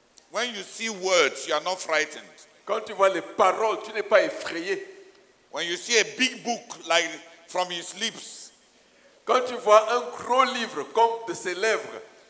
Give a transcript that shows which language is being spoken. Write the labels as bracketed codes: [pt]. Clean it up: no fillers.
[en] When you see words, you are not frightened. [fr] Quand tu vois les paroles, tu n'es pas effrayé. [en] When you see a big book like from his lips. [fr] Quand tu vois un gros livre comme de ses lèvres.